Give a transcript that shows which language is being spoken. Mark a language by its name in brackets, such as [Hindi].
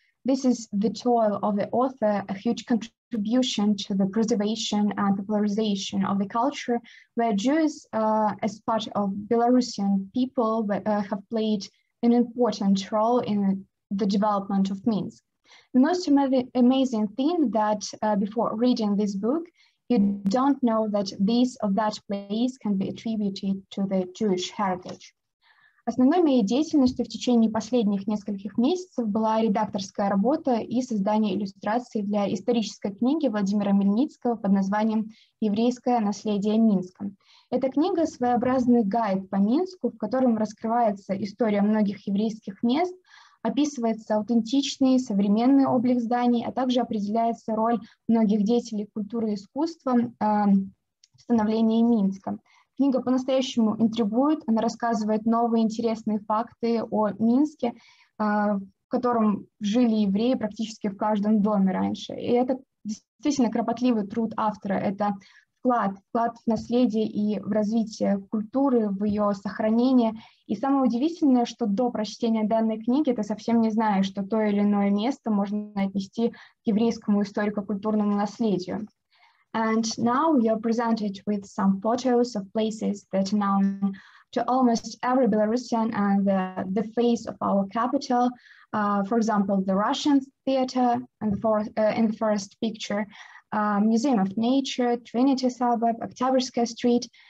[English] This is the toil of the author, a huge contribution to the preservation and popularization of the culture, where Jews, as part of Belarusian people, have played an important role in the development of Minsk. The most amazing thing that before reading this book, you don't know that this or that place can be attributed to the Jewish heritage. [Russian] Основной моей деятельностью в течение последних нескольких месяцев была редакторская работа и создание иллюстраций для исторической книги Владимира Мельницкого под названием «Еврейское наследие Минска». Эта книга – своеобразный гайд по Минску, в котором раскрывается история многих еврейских мест, описывается аутентичный современный облик зданий, а также определяется роль многих деятелей культуры и искусства в становлении Минска. Книга по-настоящему интригует, она рассказывает новые интересные факты о Минске, в котором жили евреи практически в каждом доме раньше. И это действительно кропотливый труд автора, это вклад в наследие и в развитие культуры, в ее сохранение. И самое удивительное, что до прочтения данной книги ты совсем не знаешь, что то или иное место можно отнести к еврейскому историко-культурному наследию. [English] And now you're presented with some photos of places that are known to almost every Belarusian and the face of our capital. For example, the Russian theater in the first picture, Museum of Nature, Trinity Suburb, Oktyabrskaya Street.